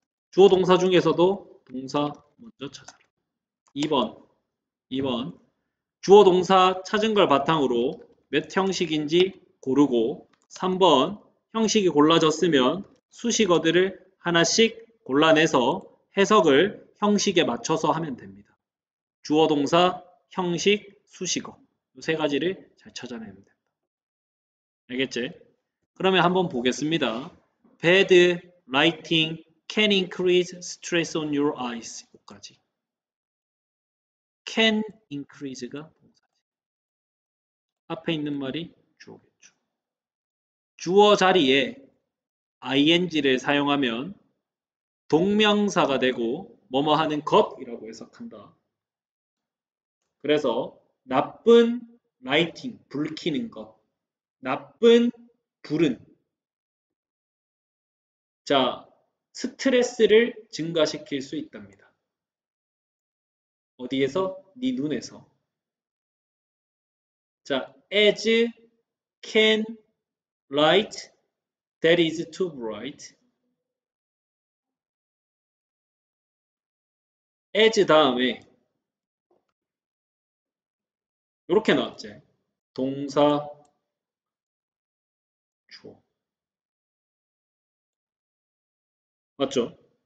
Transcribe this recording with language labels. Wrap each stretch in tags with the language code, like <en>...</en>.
<ko>주어 동사 중에서도 동사 먼저 찾아라. 2번, 주어 동사 찾은 걸 바탕으로 몇 형식인지 고르고, 3번, 형식이 골라졌으면 수식어들을 하나씩 골라내서 해석을 형식에 맞춰서 하면 됩니다. 주어, 동사, 형식, 수식어. 이세 가지를 잘 찾아내면 됩니다. 알겠지? 그러면 한번 보겠습니다.</ko> <en>Bad writing can increase stress on your eyes.</en> <ko>여기까지. Can increase가 동사지. 앞에 있는 말이 주어겠죠. 주어 자리에 ing를 사용하면 동명사가 되고 뭐뭐 하는 것이라고 해석한다. 그래서 나쁜 라이팅, 불 켜는 것, 나쁜 불은 자 스트레스를 증가시킬 수 있답니다. 어디에서? 네 눈에서.</ko> <en>자, as can light that is too bright.</en> <ko>에즈 다음에 이렇게 나왔지. 동사 주어 맞죠?</ko>